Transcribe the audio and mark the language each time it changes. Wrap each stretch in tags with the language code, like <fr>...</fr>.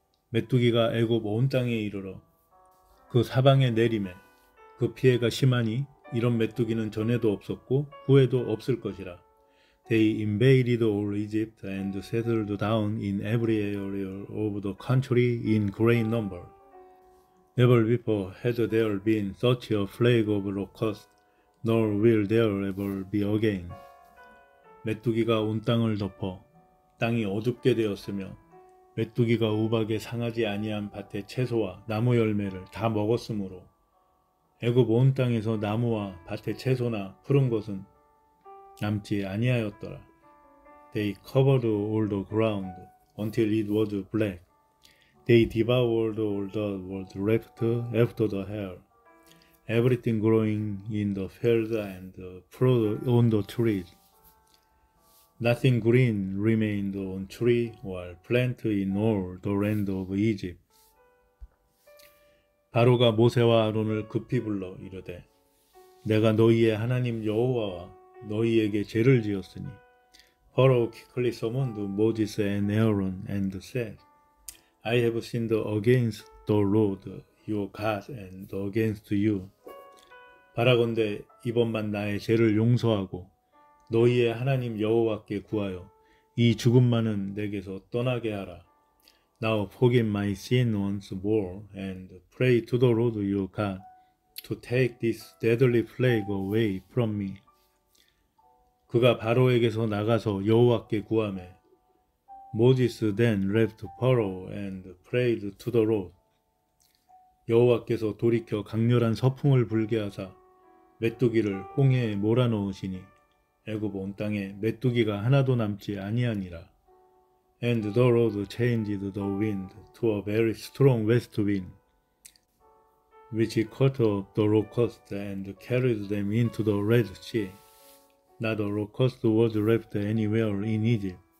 <ko>메뚜기가 애굽 온 땅에 이르러 그 사방에 내리매 그 피해가 심하니 이런 메뚜기는 전에도 없었고 후에도 없을 것이라.</ko> <en>They invaded all Egypt and settled down in every area of the country in great number. Never before had there been such a plague of locusts, nor will there ever be again.</en> <ko>메뚜기가 온 땅을 덮어 땅이 어둡게 되었으며 메뚜기가 우박에 상하지 아니한 밭의 채소와 나무 열매를 다 먹었으므로 애굽 온 땅에서 나무와 밭의 채소나 푸른 것은 남지 아니하였더라.</ko> <en>They covered all the ground until it was black. They devoured all that was left after the hail. Everything growing in the fields and on the trees. Nothing green remained on tree or plant in all the land of Egypt.</en> <ko>바로가 모세와 아론을 급히 불러 이르되 내가 너희의 하나님 여호와와 너희에게 죄를 지었으니</ko> <en>Pharaoh quickly summoned Moses and Aaron and said, I have sinned against the Lord your God and against you.</en> <ko>바라건대 이번만 나의 죄를 용서하고 너희의 하나님 여호와께 구하여 이 죽음만은 내게서 떠나게 하라.</ko> <en>Now forgive my sin once more and pray to the Lord your God to take this deadly plague away from me.</en> <ko>그가 바로에게서 나가서 여호와께 구하매</ko> <en>Moses then left Pharaoh and prayed to the Lord.</en> <ko>여호와께서 돌이켜 강렬한 서풍을 불게 하사 메뚜기를 홍해에 몰아넣으시니 애굽 온 땅에 메뚜기가 하나도 남지 아니하니라.</ko> <en>And the Lord changed the wind to a very strong west wind, which caught up the locusts and carried them into the Red Sea. Not a locust was left anywhere in Egypt.</en>